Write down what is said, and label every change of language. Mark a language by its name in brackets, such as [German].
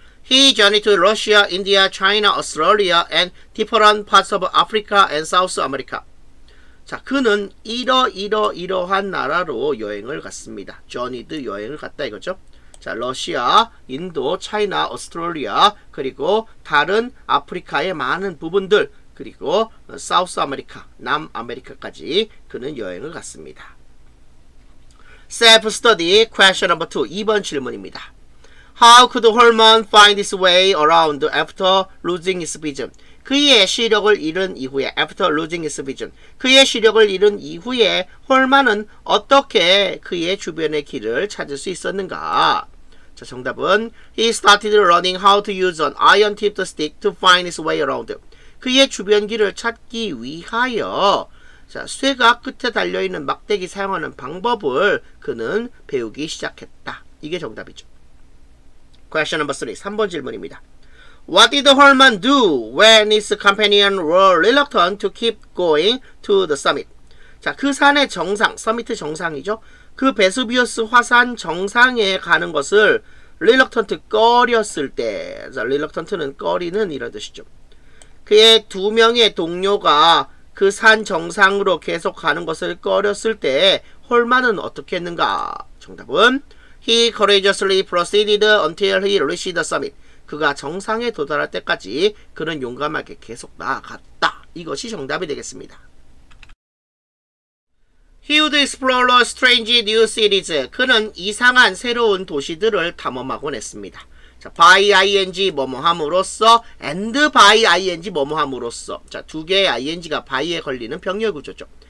[English] He journeyed to Russia, India, China, Australia, and different parts of Africa and South America. [Korean] 자, 그는 이러이러이러한 나라로 여행을 갔습니다. journeyed 여행을 갔다 이거죠. 자, 러시아, 인도, 차이나, 오스트레일리아, 그리고 다른 아프리카의 많은 부분들, 그리고 사우스 아메리카, 남 아메리카까지 그는 여행을 갔습니다. [English] Self-study question number 2, [Korean] 2번 질문입니다. [English] How could Holman find his way around after losing his vision? [Korean] 그의 시력을 잃은 이후에, [English] after losing his vision, [Korean] 그의 시력을 잃은 이후에 홀만은 어떻게 그의 주변의 길을 찾을 수 있었는가? 자, 정답은 [English] He started learning how to use an iron-tipped stick to find his way around. [Korean] 그의 주변 길을 찾기 위하여 자, 쇠가 끝에 달려있는 막대기 사용하는 방법을 그는 배우기 시작했다. 이게 정답이죠. [English] Question number 3, [Korean] 3번 질문입니다. [English] What did Holman do when his companion were reluctant to keep going to the summit? [Korean] 자, 그 산의 정상, summit 정상이죠. 그 베수비우스 화산 정상에 가는 것을 reluctant 꺼렸을 때, 자, reluctant는 꺼리는 이런 뜻이죠. 그의 두 명의 동료가 그 산 정상으로 계속 가는 것을 꺼렸을 때 홀만은 어떻게 했는가? 정답은 [English] He courageously proceeded until he reached the summit. [Korean] 그가 정상에 도달할 때까지 그는 용감하게 계속 나아갔다. 이것이 정답이 되겠습니다. [English] He would explore a strange new cities. [Korean] 그는 이상한 새로운 도시들을 탐험하곤 했습니다. 자, by ing 뭐뭐함으로써 and by ing 뭐뭐함으로써 자, 두 개의 ing가 by에 걸리는 병렬 구조죠.